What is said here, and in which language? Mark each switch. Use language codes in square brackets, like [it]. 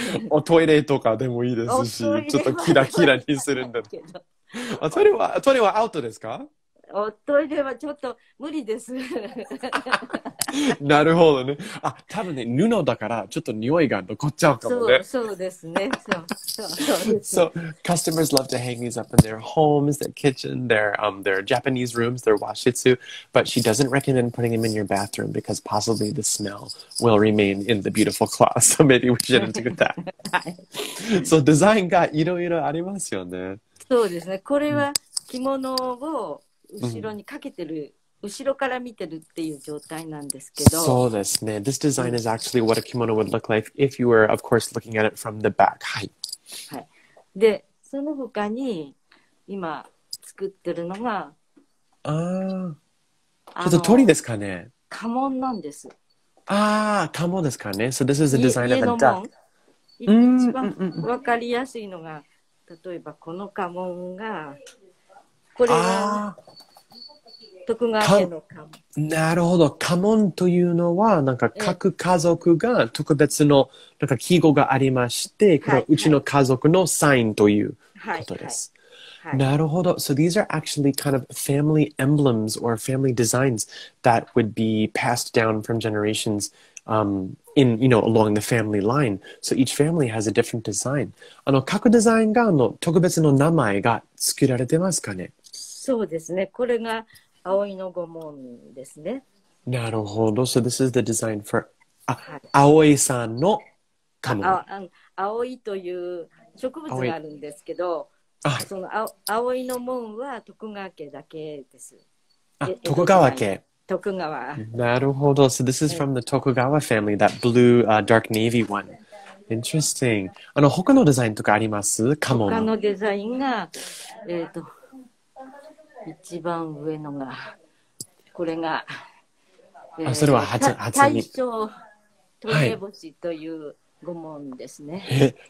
[ja] おトイレとかでもいいですし、ちょっとキラキラにするんだけど。トイレはアウトですか？おトイレはちょっと無理です。なるほどね。あ、多分ね、布だからちょっと匂いが残っちゃうかもね。そうですね。 [en] So, customers love to hang these up in their homes, their kitchen, their Japanese rooms, their washitsu, but she doesn't recommend putting them in your bathroom because possibly the smell will remain in the beautiful cloth. So maybe we shouldn't do that. So, [ja] デザインがいろいろありますよね。そうですね。これは着物を後ろにかけてる、後ろから見てるっていう状態なんですけど。そうですね。 [en] This design is actually what a kimono would look like if you were, of course, looking at it from the back. [ja] はい。はい、で、その他に今作ってるのが、ああ、ちょっと鳥ですかね。家紋なんです。ああ、家紋ですかね。 [en] So this is the design of a duck. [ja] 一番わかりやすいのが、例えばこの家紋が、これが徳川家の家紋。なるほど、家紋というのはなんか各家族が特別のなんか記号がありまして、これはうちの家族のサインということです。はいはい、なるほど。 [en] So these are actually kind of family emblems or family designs that would be passed down from generations, in, you know, along the family line. So each family has a different design. [ja] あの各デザインがあの特別の名前が付けられてますかね。そうですね。これが葵の御紋ですね。 [en] なるほど。So this is the design for、はい、 [ja] 葵さんの家紋。葵という植物があるんですけど、その葵の紋は徳川家だけです。あ、徳川家。徳川。なるほど。 [en] So this is from the Tokugawa family, that blue、dark navy one. Interesting. [ja] あの他のデザインとかあります？家紋。他のデザインが、一番上のがこれが、あ、それは初に大正トリエボチという御紋ですね。